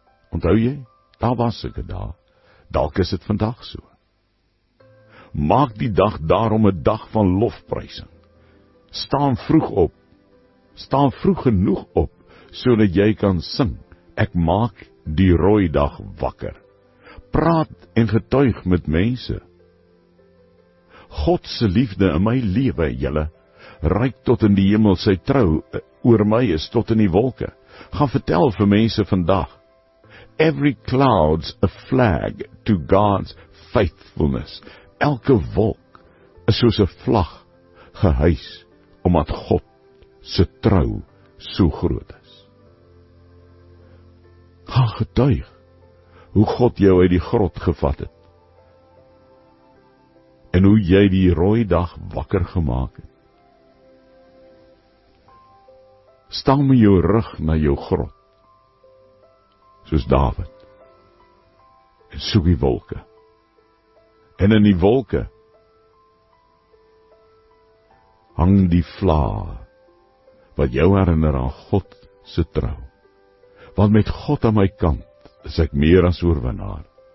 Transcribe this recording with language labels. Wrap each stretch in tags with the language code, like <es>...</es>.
<af>Onthou jy, daar was sulke dae, dalk is het vandag so. Maak die dag daarom 'n dag van lofprysing. Staan vroeg op. Staan vroeg genoeg op, sodat jy kan sing. Ek maak die rooi dag wakker. Praat en getuig met mense. God se liefde in my lewe, julle, reik tot in die hemel, sy trou oor my is tot in die wolke. Gaan vertel vir mense vandag.</af> <en>Every cloud's a flag to God's faithfulness.</en> <af>Elke wolk is soos 'n vlag gehuis, omdat God se trou so groot is. Gaan getuig hoe God jou uit die grot gevat het, en hoe jy die rooi dag wakker gemaak het. Staan met jou rug na jou grot, soos David, en soek die wolke. En in die wolke hang die vlae wat jou herinner aan God se trou. Want met God aan my kant is ek meer as oorwinnaar.</af>